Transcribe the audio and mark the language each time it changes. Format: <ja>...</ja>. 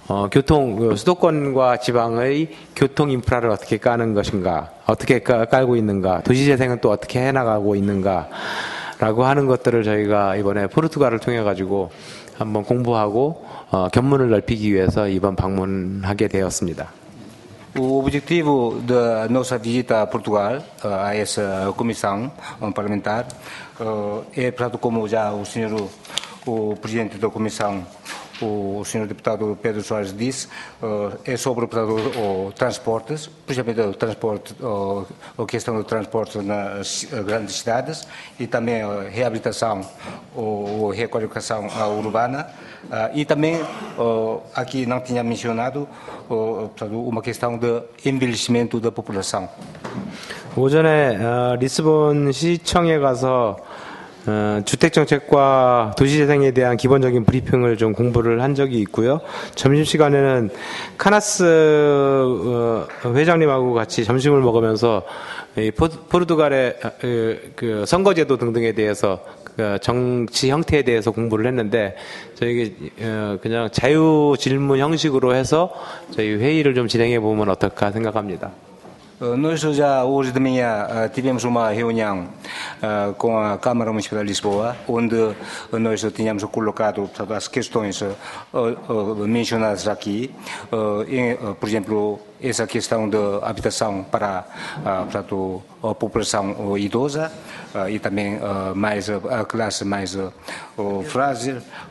<ko>교통 수도권과 지방의 교통 인프라를 어떻게 까는 것인가 어떻게 깔고 있는가 도시재생은 또 어떻게 해나가고 있는가 라고 하는 것들을 저희가 이번에 포르투갈을 통해 가지고 한번 공부하고 견문을 넓히기 위해서 이번 방문하게 되었습니다.</ko> <pt>O objetivo da nossa visita a Portugal, a essa comissão parlamentar, é portanto, como já o senhor o presidente da comissão, o senhor deputado Pedro Soares disse, é sobre portanto, o transportes, principalmente o transporte, a questão do transporte nas grandes cidades e também a reabilitação ou requalificação urbana e também, aqui não tinha mencionado, portanto, uma questão de envelhecimento da população.</pt> <ko>오전에 리스본 시청에 가서 주택정책과 도시재생에 대한 기본적인 브리핑을 좀 공부를 한 적이 있고요. 점심시간에는 카나스 회장님하고 같이 점심을 먹으면서 포르투갈의 그 선거제도 등등에 대해서 정치 형태에 대해서 공부를 했는데 저희가 그냥 자유질문 형식으로 해서 저희 회의를 좀 진행해 보면 어떨까 생각합니다.</ko> <pt>Nós já hoje de manhã tivemos uma reunião com a Câmara Municipal de Lisboa, onde nós tínhamos colocado portanto, as questões mencionadas aqui, por exemplo, essa questão de habitação para a população idosa e também mais a classe mais frágil.</pt>